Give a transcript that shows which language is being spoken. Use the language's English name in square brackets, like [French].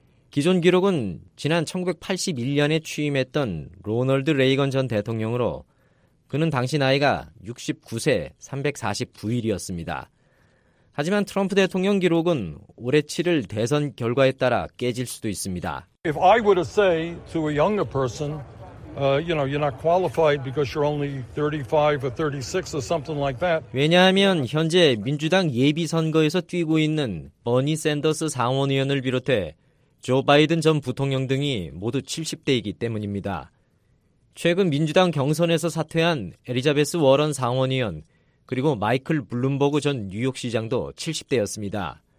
[Korean] 기존 기록은 지난 1981년에 취임했던 로널드 레이건 전 대통령으로 그는 당시 나이가 69세 349일이었습니다. 하지만 트럼프 대통령 기록은 올해 7일 대선 결과에 따라 깨질 수도 있습니다. [English] If I were to say to a younger person, you know, you're not qualified because you're only 35 or 36 or something like that. [Korean] 왜냐하면 현재 민주당 예비 선거에서 뛰고 있는 버니 샌더스 상원의원을 비롯해 조 바이든 전 부통령 등이 모두 70대이기 때문입니다. 최근 민주당 경선에서 사퇴한 엘리자베스 워런 상원의원 그리고 마이클 블룸버그 전 뉴욕시장도 70대였습니다.